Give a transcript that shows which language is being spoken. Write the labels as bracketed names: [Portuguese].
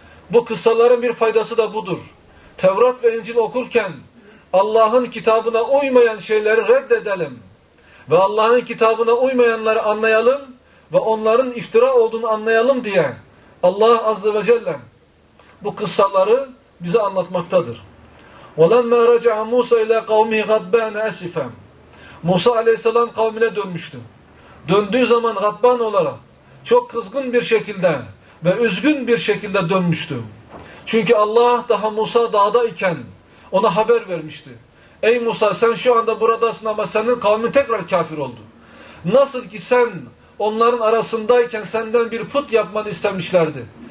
[Turkish] Bu kıssaların bir faydası da budur. Tevrat ve İncil okurken Allah'ın kitabına uymayan şeyleri reddedelim. Ve Allah'ın kitabına uymayanları anlayalım ve onların iftira olduğunu anlayalım diye Allah Azze ve Celle bu kıssaları bize anlatmaktadır. [Arabic] وَلَمَّا رَجَعَ مُوسَى اِلَى قَوْمِهِ غَدْبَانَ أَسِفًا [Turkish] Musa Aleyhisselam kavmine dönmüştü. Döndüğü zaman gadban olarak çok kızgın bir şekilde ve üzgün bir şekilde dönmüştü. Çünkü Allah daha Musa dağda iken ona haber vermişti. Ey Musa, sen şu anda buradasın ama senin kavmin tekrar kafir oldu. Nasıl ki sen onların arasındayken senden bir put yapmanı istemişlerdi.